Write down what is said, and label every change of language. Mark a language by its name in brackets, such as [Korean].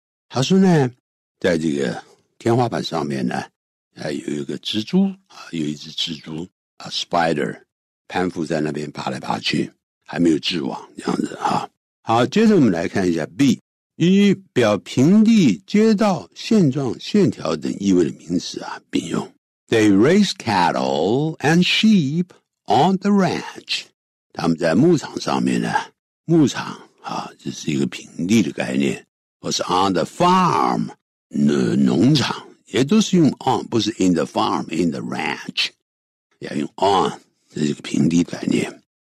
[Chinese] 他说呢在这个天花板上面呢还有一个蜘蛛啊有一只蜘蛛 a spider, 攀附在那边爬来爬去还没有蛛网这样子啊。好接着我们来看一下 B, 以表平地街道现状线条等意味的名词啊并用。 [English] They raise cattle and sheep on the ranch. [Chinese] 他们在牧场上面呢牧场啊这是一个平地的概念。或是 [English] on the farm, [Chinese] 农场也都是用 on, 不是 [English] in the farm, in the ranch. [Chinese] 要用 on, 这是一个平地的概念。